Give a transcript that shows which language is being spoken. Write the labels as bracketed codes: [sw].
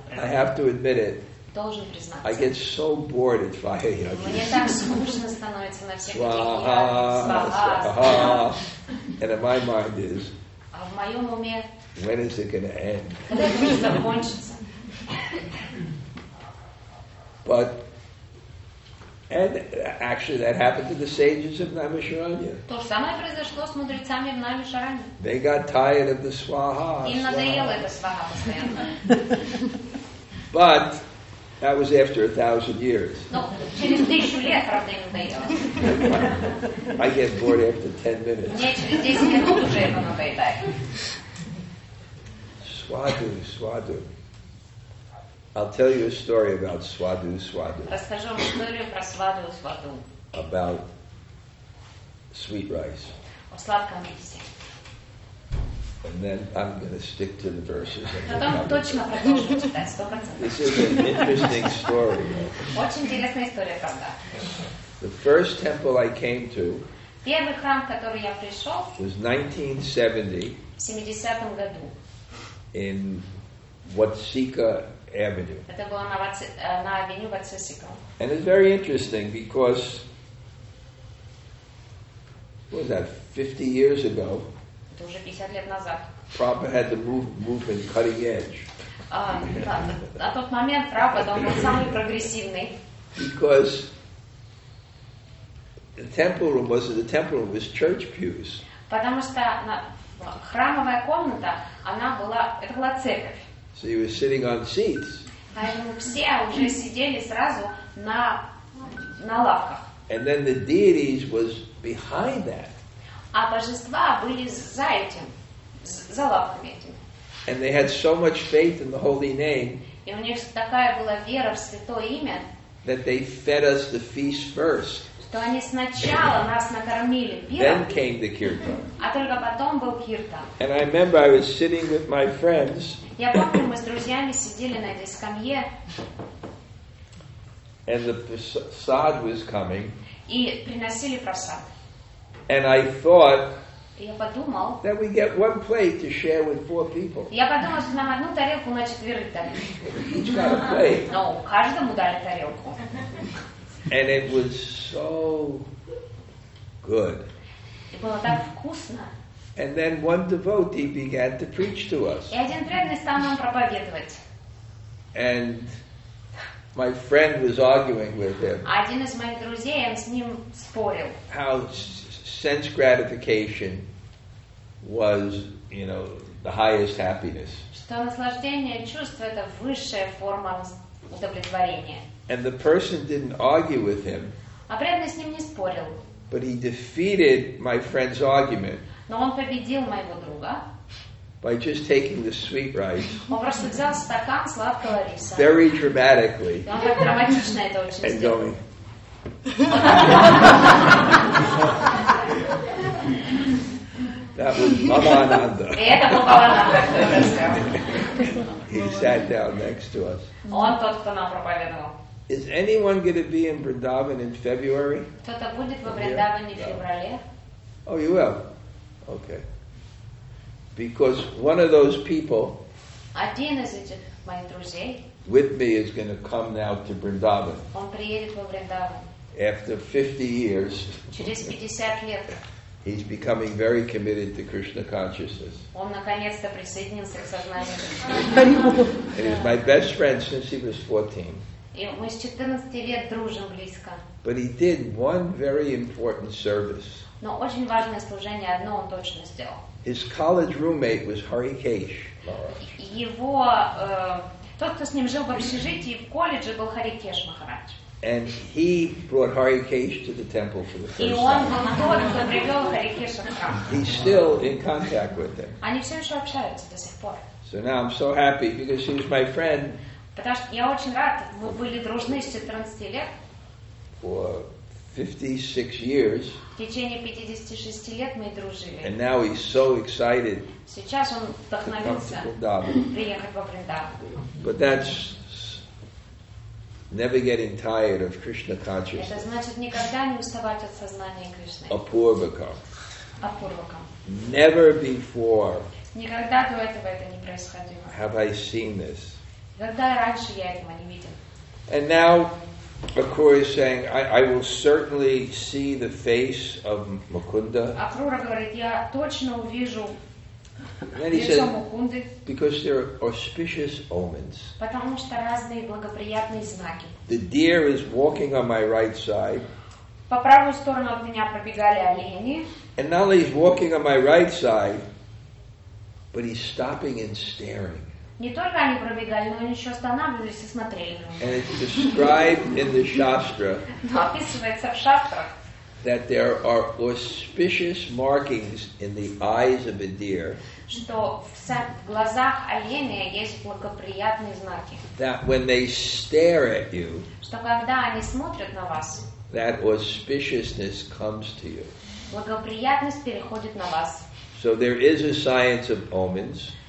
[en] I have to admit it. [ru] Должен признаться. [en] I get so bored at fire yogis. [ru] Мне так скучно становится на всех этих ягодах. Сваха, сваха. [en] And in my mind is, [ru] а в моем уме, [en] when is it going to end? [ru] Когда это будет закончиться? [en] But and actually that happened to the sages of Naimisharanya. [ru] То же самое произошло с мудрецами в Наймишаране. [en] They got tired of the swaha. [ru] Им надоело это сваха постоянно. [en] But that was after 1,000 years. [ru] Но через 1,000 лет, правда, им надоело. [en] I get bored after 10 minutes. [ru] Мне через 10 минут уже это надоедает. Свадху, свадху. [en] I'll tell you a story about Swadhu Swadhu. [ru] Расскажу вам историю про Свадху Свадху. [en] About sweet rice. [ru] О сладком рисе. [en] And then I'm going to stick to the verses. [ru] Потом точно продолжу читать, 100%. [en] This is an interesting story. [ru] Очень интересная история, правда. [en] The first temple I came to, [ru] первый храм, в который я пришел, [en] was 1970. [ru] В 70-м году. [en] In Watsika Avenue. [ru] Это было на авеню Ватсисика. [en] And it's very interesting because what was that, 50 years ago? [ru] Это уже 50 лет назад. [en] Prabhupada had the movement cutting edge. [ru] На тот момент Прабхупада был самый прогрессивный. [en] Because the temple room wasn't the temple room, it was church pews. [ru] Потому что храмовая комната, она была, это была церковь. [en] So you were sitting on seats. [ru] Поэтому все уже сидели сразу на лавках. [en] And then the deities was behind that. [ru] А божества были за этим, за лавками этим. [en] And they had so much faith in the holy name. [ru] И у них такая была вера в святое имя. [en] That they fed us the feast first. [ru] то они сначала нас накормили пиром. [en] Then came the kirtan. [ru] А только потом был киртан. [en] And I remember I was sitting with my friends. [ru] Я помню, мы с друзьями сидели на этой скамье. [en] And the prasad was coming. [ru] И приносили прасад. [en] And I thought. [ru] Я подумал. [en] That we get one plate to share with four people. [ru] Я подумал, что нам одну тарелку на четверых дали. [en] Each got a plate. [ru] Но каждому дали тарелку. [en] And it was so good. It was [ru] так вкусно. [en] And then one devotee began to preach to us. [ru] И один преданный стал нам проповедовать. [en] And my friend was arguing with him. [ru] Один из моих друзей, он с ним спорил. [en] How sense gratification was, you know, the highest happiness. [ru] Что наслаждение чувств это высшая форма удовлетворения. [en] And the person didn't argue with him. [ru] А преданный с ним не спорил. [en] But he defeated my friend's argument. [ru] Но он победил моего друга. [en] By just taking the sweet rice. [ru] Он просто взял стакан сладкого риса. [en] Very dramatically. [ru] И он так драматично это очень [en] and [ru] сделал. [en] Going. That was Bhavananda. [ru] И это был Бхавананда. [en] He sat down next to us. [ru] Он тот, кто нам проповедовал. [en] Is anyone going to be in Vrindavan in February? [ru] Кто-то будет во Вриндаване в феврале? [en] Oh, you will. Okay. Because one of those people. [ru] Один из этих моих друзей. [en] With me is going to come now to Vrindavan. [ru] Он приедет во Вриндаван. [en] After 50 years. [ru] Через 50 лет. [en] He's becoming very committed to Krishna consciousness. [ru] Он наконец-то присоединился к сознанию. [en] And he's my best friend since he was 14. [ru] И мы с 14 лет дружим близко. [en] But he did one very important service. [ru] Но очень важное служение одно он точно сделал. [en] His college roommate was Harikesh Maharaj. [ru] Его тот, кто с ним жил в общежитии в колледже, был Харикеш Махарадж. [en] And he brought Harikesh to the temple for the first time. [ru] И он был тот, кто привел Харикеша в храм. [en] He's still in contact with him. [ru] Они все еще общаются до сих пор. [en] So now I'm so happy because he's my friend. [ru] Потому что я очень рад, вы были дружны с 14 лет. [en] For 56 years. [ru] В течение 56 лет мы дружили. [en] And now he's so excited. [ru] Сейчас он вдохновился приехать во Вриндаван. [en] But that's never getting tired of Krishna consciousness. [ru] Это значит никогда не уставать от сознания Кришны. Апурвакам. Апурвакам. [en] Never before. [ru] Никогда до этого это не происходило. [en] Have I seen this? [ru] Когда раньше я этого не видел. [en] And now, Akura is saying, I will certainly see the face of Mukunda. [ru] Акура говорит, я точно увижу лицо Мукунды. [en] Because there are auspicious omens. [ru] Потому что разные благоприятные знаки. [en] The deer is walking on my right side. [ru] По правую сторону от меня пробегали олени. [en] And not only he's walking on my right side, but he's stopping and staring. [ru] Не только они пробегали, но они еще останавливались и смотрели на [en] них. And it's described in the shastra. [ru] Но описывается в шастрах. [en] That there are auspicious markings in the eyes of a deer. [ru] Что в глазах оленя есть благоприятные знаки. [en] That when they stare at you. [ru] Что когда они смотрят на вас. [en] That auspiciousness comes to you. [ru] Благоприятность переходит на вас. [en] So there is a science of omens.